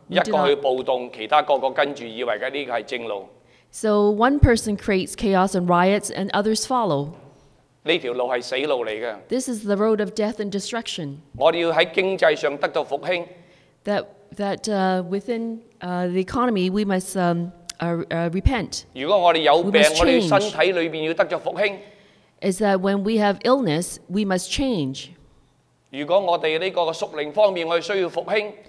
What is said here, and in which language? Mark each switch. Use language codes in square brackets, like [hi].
[yue] 一個去暴動，其他個個跟住，以為嘅呢個係正路。 [en] So one person creates chaos and riots, and others follow. [yue] 呢條路係死路嚟嘅。 [en] This is the road of death and destruction. [yue] 我哋要喺經濟上得到復興。 [en] That within the economy, we must repent. [yue] 如果我哋有病，我哋身體裏邊要得著復興。 [en] Is that when we have illness, we must change. [yue] 如果我哋呢個屬靈方面，我哋需要復興。